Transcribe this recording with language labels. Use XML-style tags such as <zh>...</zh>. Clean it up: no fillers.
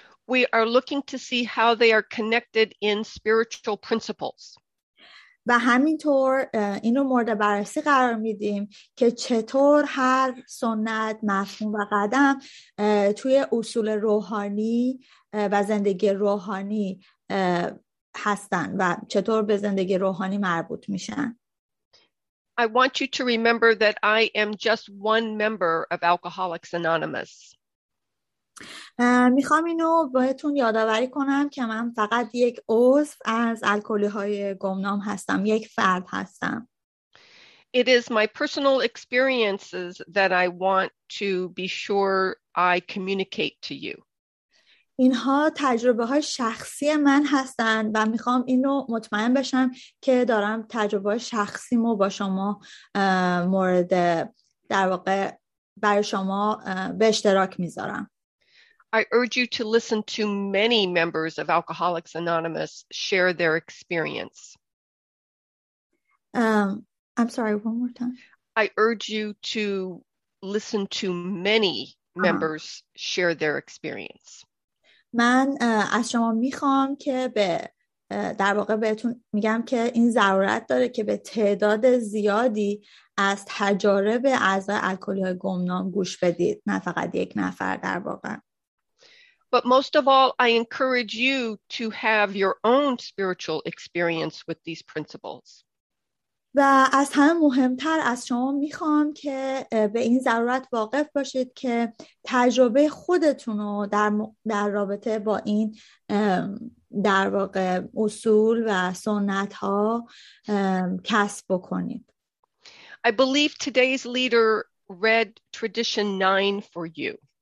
<en>We are looking to see how they are connected in spiritual principles.</en> <fa>و همینطور این رو مورد بررسی قرار میدیم که چطور هر سنت، مفهوم و قدم توی اصول روحانی و زندگی روحانی هستن و چطور به زندگی روحانی مربوط میشن.</fa> <en>I want you to remember that I am just one member of Alcoholics Anonymous.</en> <fa>میخوام اینو بهتون یادآوری کنم که من فقط یک عضو از الکلی‌های گمنام هستم، یک فرد هستم.</fa> <en>It is my personal experiences that I want to be sure I communicate to you.</en> <fa>اینها تجربه‌های شخصی من هستند و میخوام اینو مطمئن بشم که دارم تجربه‌های شخصیمو با شما مورد در واقع برای شما به اشتراک میذارم.</fa> <en>I urge you to listen to many members of Alcoholics Anonymous share their experience. I'm sorry, one more time. I urge you to listen to many members share their experience.</en> <fa>من از شما میخوام که به در واقع بهتون میگم که این ضرورت داره که به تعداد زیادی از تجارب اعضای الکلی‌های گمنام گوش بدید، نه فقط یک نفر در واقع.</fa> <en>But most of all, I encourage you to have your own spiritual experience with these principles.</en> <fa>و از همه مهمتر از شما میخوام که به این ضرورت واقف باشید که تجربه خودتون رو در رابطه با این در واقع اصول و سنت ها کسب بکنید.</fa> <en>I believe today's leader read tradition 9 for you.</en>